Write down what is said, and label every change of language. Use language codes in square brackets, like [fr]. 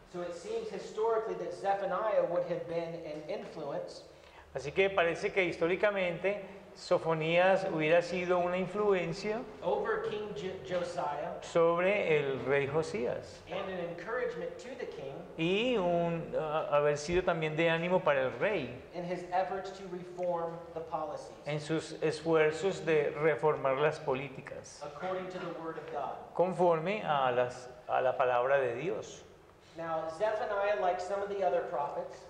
[en] So it seems historically that Zephaniah would have been an influence. [es] Así que parece que históricamente Sofonías hubiera sido una influencia [en] over King Josiah, [es] sobre el rey Josías [en] and an encouragement to the king, [es] y un haber sido también de ánimo para el rey [en] in his efforts to reform the policies, [es] en sus esfuerzos de reformar las políticas [en] according to the word of God. [es] Conforme a la palabra de Dios. [en] Now, Zephaniah, like some of the other prophets,